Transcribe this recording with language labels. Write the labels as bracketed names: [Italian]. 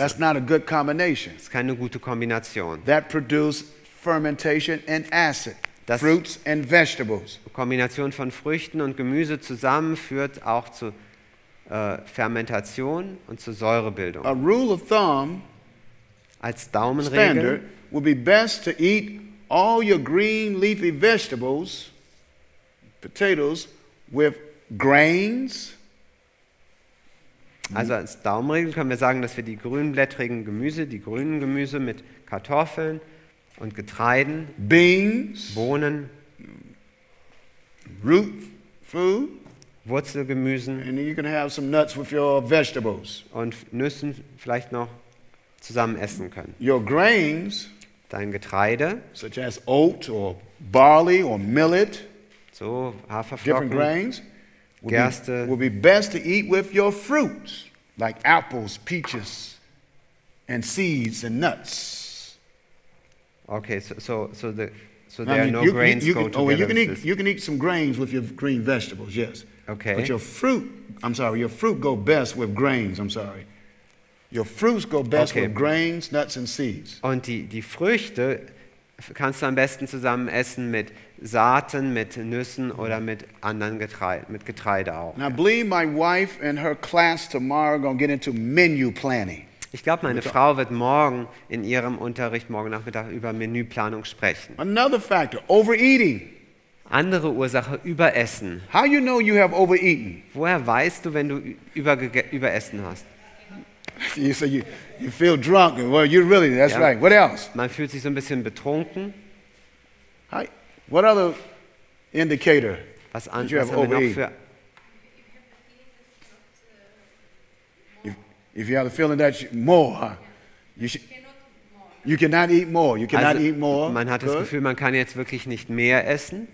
[English] that's not a good combination. [German] Das ist keine gute Kombination. [English] That produce fermentation and acid, das fruits and vegetables. [German] Kombination von Früchten und Gemüse zusammen führt auch zu Fermentation und zu Säurebildung. [English] A rule of thumb, [German] als Daumenregel, standard, [English] would be best to eat all your green leafy vegetables, potatoes, with grains. [German] Also als Daumenregel können wir sagen, dass wir die grünblättrigen Gemüse, die grünen Gemüse mit Kartoffeln und Getreiden, [English] beans, [German] Bohnen, [English] root food, [German] Wurzelgemüsen, [English] and you can have some nuts with your vegetables, [German] und Nüssen vielleicht noch zusammen essen können. [English] Your grains, [German] dein Getreide, [English] such as oat or barley or millet, [German] so Haferflocken, [English] grains, [German] Gerste, [English] would be best to eat with your fruits, like apples, peaches, and seeds and nuts. Okay, so there are no grains go together. You can eat some grains with your green vegetables, yes. Okay. But your fruit go best with grains. I'm sorry. Your fruits go best okay. with grains, nuts and seeds. [German] Und die Früchte kannst du am besten zusammen essen mit Saaten, mit Nüssen oder mit anderen Getreide, mit Getreide auch. [English] Now, believe my wife and her class tomorrow gonna get into menu planning. [German] Ich glaube, meine Frau wird morgen in ihrem Unterricht morgen Nachmittag über Menüplanung sprechen. [English] Another factor, overeating. [German] Andere Ursache, Überessen. [English] How you know you have overeaten? [German] Woher weißt du, wenn du überessen hast? [English] You say you feel drunk. Well, you really, that's yeah. right. What else? [German] Man fühlt sich so ein bisschen betrunken. [English] Hi. What other indicator? Was did you have overeaten? If you have the feeling that you cannot eat more. You cannot eat more. [German] Man hat das Gefühl, man kann jetzt wirklich nicht mehr essen.